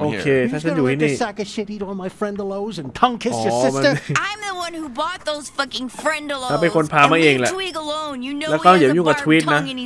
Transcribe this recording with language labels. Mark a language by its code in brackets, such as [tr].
[en] here. [th] โอเคถ้าฉันอยู่ที่นี่ [en] sack of shit eat all my friendalos and tongue kiss your sister. I'm the one who bought those fucking friendalos. [th] เป็นคนพามาเองแหละแล้วก็อย่ายุ่งกับทวีตนะ